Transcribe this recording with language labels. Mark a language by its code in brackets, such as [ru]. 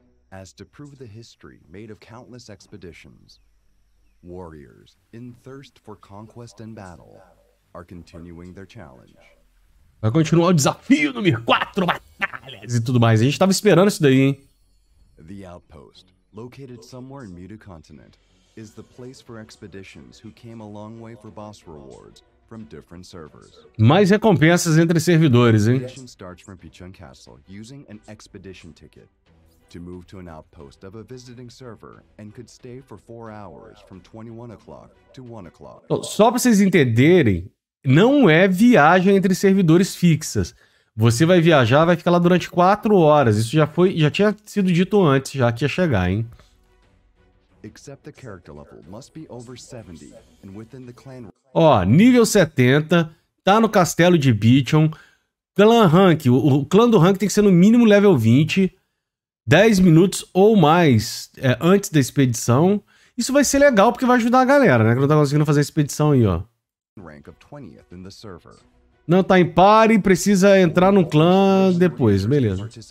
[en] As to prove the history made of countless expeditions, warriors, in thirst for conquest and battle, are continuing their challenge. [pt] Vai continuar o desafio no Mir 4, batalhas e tudo mais. A gente tava esperando isso daí, hein? [en] The outpost, located somewhere in Muta Continent, is the place for expeditions who came a long way for boss rewards from different servers. [pt] Mais recompensas entre servidores, hein? [en] Expedition starts from Pichun Castle using an expedition ticket to move to an outpost of a visiting server and could stay for 4 hours from 21 o'clock to 1 o'clock. [pt] Só pra vocês entenderem, não é viagem entre servidores fixas. Você vai viajar, vai ficar lá durante 4 horas. Isso já foi, já tinha sido dito antes, já que ia chegar, hein? [en] Except the character level must be over 70 and within the clan. [pt] Ó, nível 70, tá no castelo de Beachon. Clã rank, o clã do rank tem que ser no mínimo level 20, 10 minutos ou mais antes da expedição. Isso vai ser legal porque vai ajudar a galera, né? Que não tá conseguindo fazer a expedição aí, ó. [en] Rank of 20th in the server. [pt] Não tá em party, precisa entrar no clã depois, beleza.